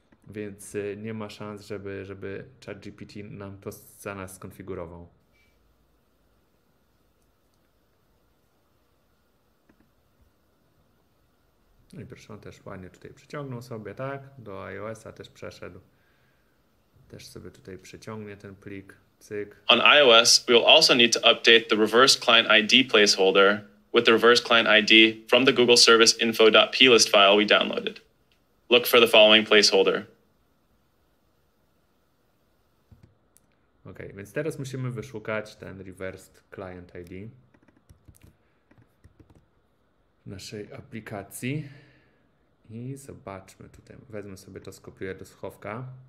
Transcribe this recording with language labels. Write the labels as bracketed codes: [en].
[pl] Więc nie ma szans, żeby ChatGPT nam to za nas skonfigurował. No i proszę, on też ładnie tutaj przyciągnął sobie, tak? Do iOS-a też przeszedł. Też sobie tutaj przyciągnie ten plik. Cyk. [en] On iOS, we will also need to update the reverse client ID placeholder with the reverse client ID from the Google Service info.plist file we downloaded. Look for the following placeholder. [pl] OK, więc teraz musimy wyszukać ten reversed client ID naszej aplikacji. I zobaczmy tutaj, wezmę sobie to, skopiuję do schowka.